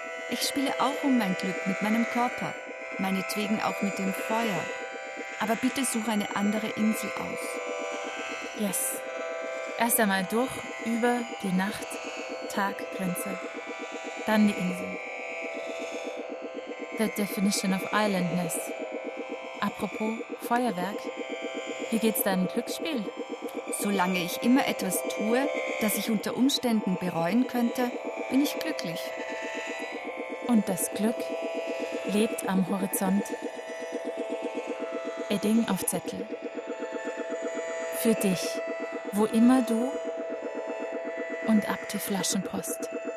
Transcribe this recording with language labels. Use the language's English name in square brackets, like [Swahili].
[German] Ich spiele auch um mein Glück mit meinem Körper, meinetwegen auch mit dem Feuer. Aber bitte such eine andere Insel aus. [English] Yes. [German] Erst einmal durch, über die Nacht, Taggrenze. Dann die Insel. [English] The definition of islandness. [German] Apropos Feuerwerk. Wie geht's deinem Glücksspiel? Solange ich immer etwas tue, das ich unter Umständen bereuen könnte, bin ich glücklich. Und das Glück lebt am Horizont. Edding auf Zettel. Für dich, wo immer du, und ab die Flaschenpost.